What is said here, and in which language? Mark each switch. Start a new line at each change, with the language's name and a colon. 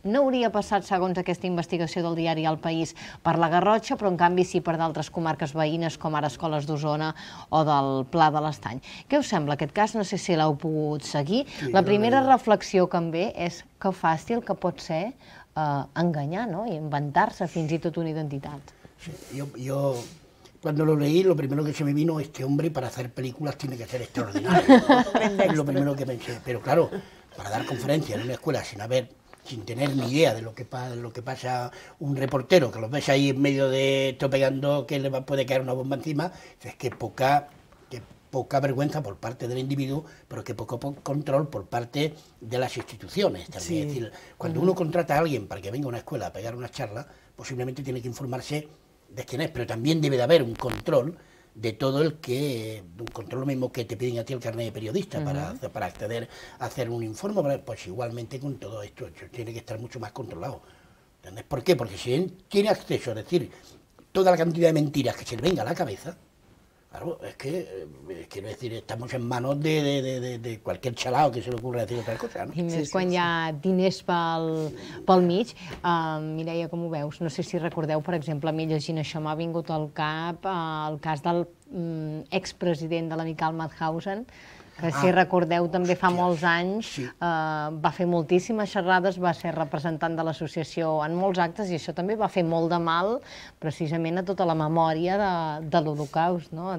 Catalan: No hauria passat, segons aquesta investigació del diari El País, per la Garrotxa, però en canvi sí per d'altres comarques veïnes, com ara escoles d'Osona o del Pla de l'Estany. Què us sembla aquest cas? No sé si l'heu pogut seguir. Sí, la primera reflexió que em ve és que fàcil que pot ser enganyar, no?, i inventar-se fins i tot una identitat.
Spanish: Sí, yo cuando lo leí, lo primero que se me vino, este hombre para hacer películas tiene que ser extraordinario. Es lo primero que pensé. Pero claro, para dar conferencias en una escuela sin tener ni idea de lo que pasa un reportero, que lo ves ahí en medio de esto pegando, que le puede caer una bomba encima, es que poca vergüenza por parte del individuo, pero que poco control por parte de las instituciones también. Sí. Es decir, cuando uno contrata a alguien para que venga a una escuela a pegar una charla, posiblemente tiene que informarse de quién es, pero también debe de haber un control de todo el que, un control lo mismo que te piden a ti el carnet de periodista para acceder a hacer un informe, pues igualmente con todo esto, tiene que estar mucho más controlado. ¿Entendés? ¿Por qué? Porque si tiene acceso a decir toda la cantidad de mentiras que se le venga a la cabeza, claro, es que, quiero decir, estamos en manos de cualquier chalao que se le ocurra decir otra cosa, ¿no?
Catalan: I més sí, quan sí, hi ha sí. diners pel mig. Mireia, com ho veus? No sé si recordeu, per exemple, a mi llegint això m'ha vingut al cap el cas del expresident de l'Amical Mauthausen, que si recordeu també fa molts anys va fer moltíssimes xerrades, va ser representant de l'associació en molts actes i això també va fer molt de mal precisament a tota la memòria de l'Holocaust, no?